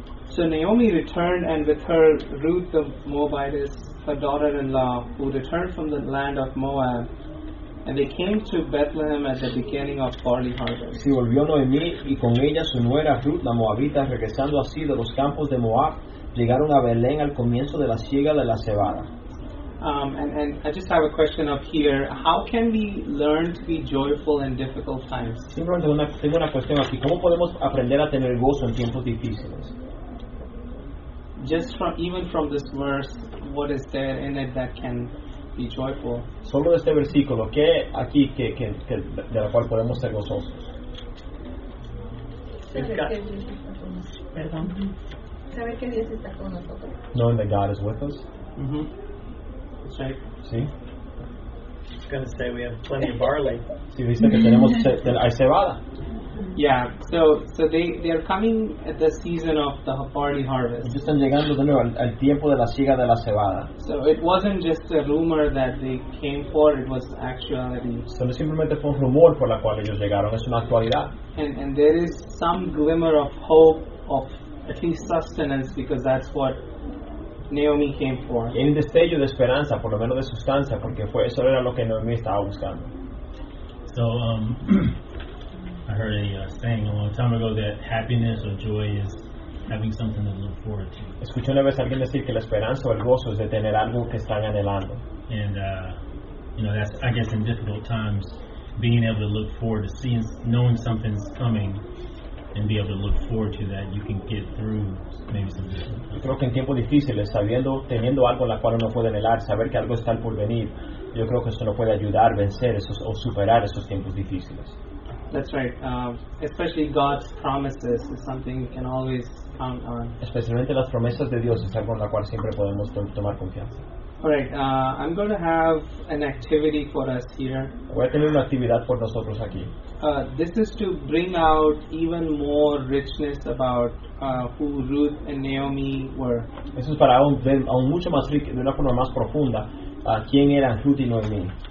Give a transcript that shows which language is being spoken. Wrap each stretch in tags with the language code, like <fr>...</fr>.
<en>So Naomi returned, and with her Ruth the Moabitess, her daughter-in-law, who returned from the land of Moab. And they came to Bethlehem at the beginning of barley harvest.</en> <es>Sí, volvió Noemí y con ella su nuera Ruth, la Moabita, regresando así de los campos de Moab, llegaron a Belén al comienzo de la siega de la cebada.</es> <en>And I just have a question up here. How can we learn to be joyful in difficult times?</en> <es>Simplemente tengo una cuestión aquí. ¿Cómo podemos aprender a tener gozo en tiempos difíciles?</es> <en>Just from even from this verse, what is there in it that can be joyful?</en> <es>Solo este versículo, ¿qué aquí que de la cual podemos ser gozosos? ¿Sabes que Dios está con nosotros?</es> <en>Knowing that God is with us. Mm-hmm. That's right.</en> <es>Sí.</es> <en>Just gonna say we have plenty of barley.</en> <es>Sí, dice que tenemos hay cebada.</es> <en>Yeah, so they are coming at the season of the barley harvest.</en> <es>Ellos están llegando de nuevo al tiempo de la siega de la cebada.</es> <en>So it wasn't just a rumor that they came for; it was actuality.</en> <es>So no simplemente fue un rumor por la cual ellos llegaron; es una actualidad.</es> <en>And there is some glimmer of hope of at least sustenance because that's what Naomi came for.</en> <es>Y hay un destello de esperanza, por lo menos de sustancia, porque fue eso era lo que Naomi estaba buscando.</es> <en>So I heard a saying a long time ago that happiness or joy is having something to look forward to.</en> <es>Escuché una vez alguien decir que la esperanza o el gozo es de tener algo que están anhelando.</es> <en>And you know, that's I guess in difficult times, being able to look forward to seeing, knowing something's coming, and be able to look forward to that, you can get through maybe some difficult.</en> <es>Creo que en tiempos difíciles, sabiendo, teniendo algo en la cual uno puede anhelar, saber que algo está por venir, yo creo que esto lo puede ayudar a vencer esos o superar esos tiempos difíciles.</es> <en>That's right. Especially God's promises is something we can always count on.</en> <es>Especialmente las promesas de Dios es algo en la cual siempre podemos tomar confianza.</es> <en>Alright, I'm going to have an activity for us here.</en> <es>Voy a tener una actividad por nosotros aquí.</es> <en>This is to bring out even more richness about who Ruth and Naomi were.</en> <es>Eso es para aún mucho más rico, de una forma más profunda, quién eran Ruth y Naomi.</es>